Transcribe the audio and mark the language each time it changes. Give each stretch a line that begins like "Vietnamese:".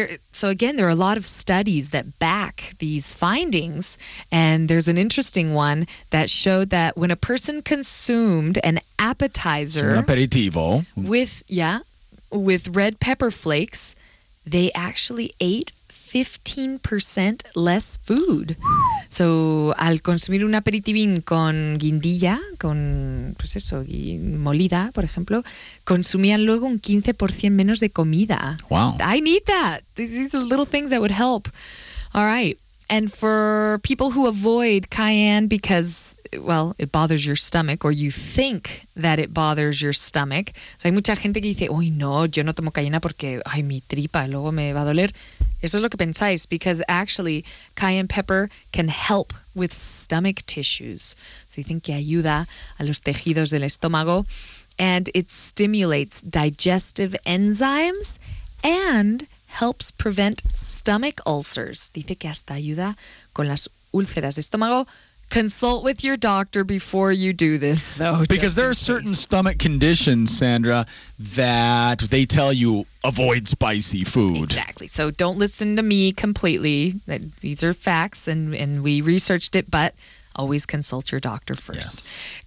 English: So again, there are a lot of studies that back these findings, and there's an interesting one that showed that when a person consumed an appetizer,
Spanish: un aperitivo,
English: with red pepper flakes, they actually ate 15% less food.
Spanish: So, al consumir un aperitivín con guindilla, con pues eso, molida, por ejemplo, consumían luego un 15% menos de comida.
English: Wow. I need that. These are little things that would help. All right. And for people who avoid cayenne because, well, it bothers your stomach, or you think that it bothers your stomach.
Spanish: So, hay mucha gente que dice, uy, no, yo no tomo cayena porque, ay, mi tripa, luego me va a doler. Eso es lo que pensáis,
English: because actually cayenne pepper can help with stomach tissues. So you think
Spanish: que ayuda a los tejidos del estómago,
English: and it stimulates digestive enzymes and helps prevent stomach ulcers.
Spanish: Dice que hasta ayuda con las úlceras de estómago.
English: Consult with your doctor before you do this, though. Because there are certain stomach conditions, Sandra, that they tell you avoid spicy food. Exactly. So don't listen to me completely. These are facts, and we researched it, but always consult your doctor first. Yes.